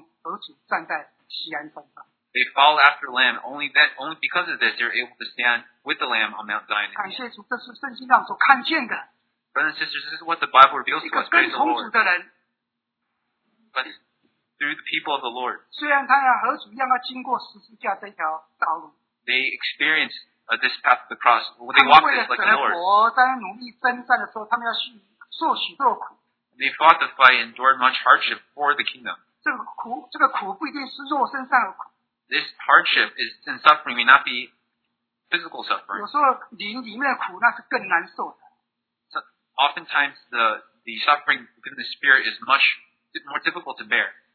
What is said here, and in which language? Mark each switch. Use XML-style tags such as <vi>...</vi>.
<en>They follow after the Lamb. Only because of this, they're able to stand with the Lamb on Mount Zion.</en> <zh>感谢主, 这是圣经上所看见的,</zh> <en>brothers and sisters, this is what the Bible reveals to us. Praise the Lord.</en> <zh>一个跟从主的人,</zh> <en>but through the people of the Lord,</en> <zh>虽然他和主一样要经过十字架这条道路,</zh> <en>they experience this path of the cross. They walk this like the Lord.</en> <zh>他们为了神国在努力征战的时候, 他们要受许多苦。</zh> <en>They fought the fight and endured much hardship for the kingdom.</en> <zh>这个苦不一定是肉身上的苦。</zh> <en>This hardship is in suffering may not be physical suffering.</en> <zh>有时候灵里面的苦那是更难受的。</zh> <en>So, oftentimes the suffering within the spirit is much more difficult to bear.</en>